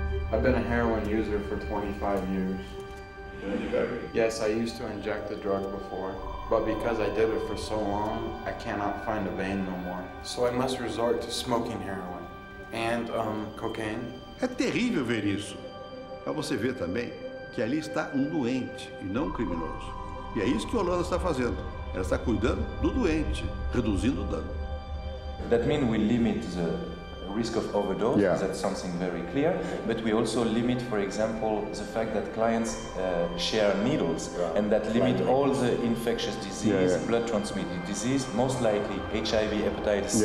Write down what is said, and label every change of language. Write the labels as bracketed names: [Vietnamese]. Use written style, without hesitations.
[English] I've been a heroin user for 25 years. Yes, I used to inject the drug before. But because I did it for so long, I cannot find a vein no more. So I must resort to smoking heroin and cocaine. [Portuguese] É terrível ver isso. Mas você vê também que ali está um doente e não um criminoso. E é isso que a Holanda está fazendo. Ela está cuidando do doente, reduzindo o dano. [English] That means we limit the risk of overdose, yeah. That's something very clear. But we also limit, for example, the fact that clients share needles, yeah. And that limit all the infectious disease, yeah, yeah. Blood transmitted disease, most likely HIV, hepatitis C.